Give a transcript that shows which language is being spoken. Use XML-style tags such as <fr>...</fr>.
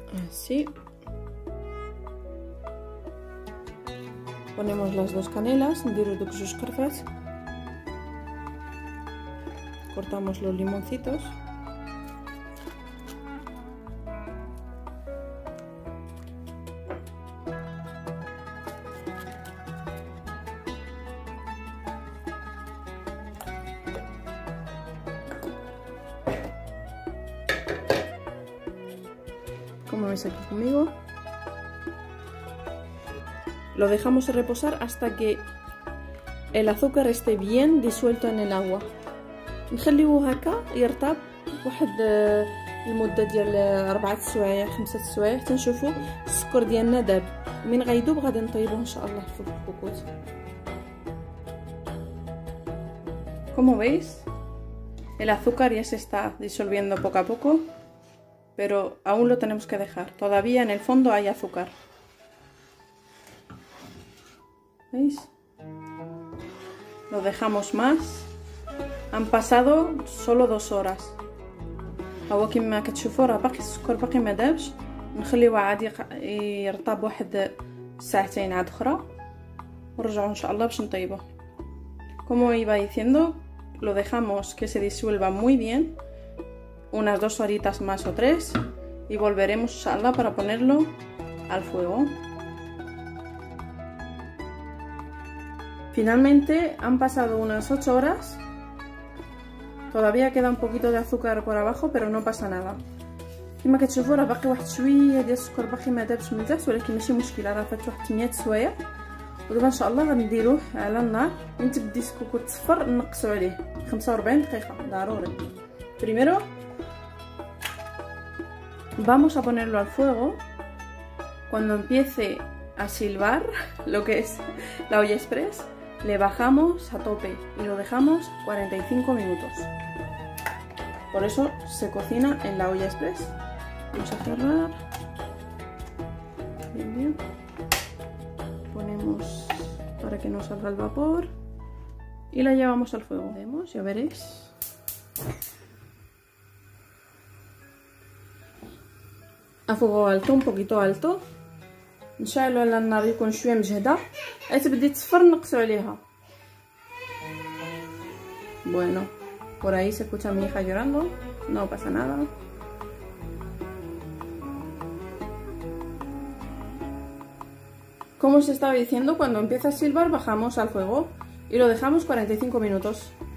<es>Así. Ponemos las 2 canelas,</es> <ar>ندير دوك جوج قرفات.</ar> <es>Cortamos los limoncitos. Como veis aquí conmigo, lo dejamos reposar hasta que el azúcar esté bien disuelto en el agua.</es> <ar>نخليه هكا يرطب واحد المده ديال 4 سوايع 5 سوايع حتى نشوفوا السكر ديالنا ذاب. من غيذوب غادي نطيبوه ان شاء الله في الكوكوت. كما</ar> <es>veis el azúcar ya se está disolviendo poco a poco pero aún lo tenemos que dejar. todavía en el fondo hay azúcar. ¿Veis? lo dejamos más. Han pasado solo 2 horas.</es> <ar>هو كما كتشوفوا راه باقي السكر باقي ما دابش. نخليوه عادي يرطب واحد ساعتين عاد اخرى ونرجعوا ان شاء الله باش نطيبه. كما</ar> <es>iba diciendo lo dejamos que se disuelva muy bien unas 2 horitas más o 3 y volveremos a sala para ponerlo al fuego. finalmente han pasado unas 8 horas. Todavía queda un poquito de azúcar por abajo, pero no pasa nada.</es> <ar>كما كتشوفوا راه باقي واحد شويه ديال السكر باقي ما دابش مزيان ولكن ماشي مشكله راه فات واحد 100 سوايه ودابا ان شاء الله غنديروه على النار من تبدي الكوكوت تصفر نقصوا عليه 45 دقيقه ضروري.</ar> <es>primero vamos a ponerlo al fuego cuando empiece a silbar lo que es la olla express. Le bajamos a tope y lo dejamos 45 minutos. Por eso se cocina en la olla express. Vamos a cerrar. Bien, bien. Ponemos para que no salga el vapor. Y la llevamos al fuego. Vemos, ya veréis. A fuego alto, un poquito alto.</es> <ar>نشعلو على النار يكون شويه مجهده عاد تبدي تصفر نقصو عليها.</ar> <es>bueno por ahí se escucha mi hija llorando no pasa nada. como os estaba diciendo cuando empieza a silbar bajamos al fuego y lo dejamos 45 minutos</es>